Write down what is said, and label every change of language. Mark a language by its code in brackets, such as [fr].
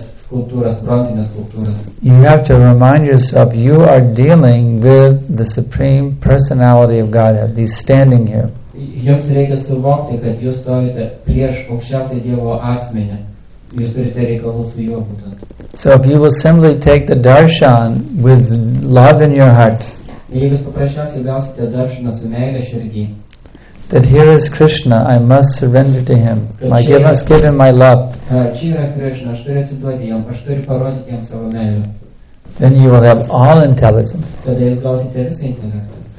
[en] You have to remind yourself you are dealing with the Supreme Personality of Godhead. He's standing here. [lt] Jums reikia suvokti, kad jūs stovite prieš aukščiausią Dievo asmenį. Jūs turite reikalų su juo būtent. [en] So if you will simply take the darshan with love in your heart, [lt] jeigu jūs paprasčiausiai gausite darshaną su meilė širdį, [en] that here is Krishna, I must surrender to him. Must give him my love. [lt] Čia yra Krishna, aš turiu atsiduoti jam, aš turiu parodyti jam savo meilę. [en] Then you will have all intelligence. [lt] Tada jūs gausite visą intelektą.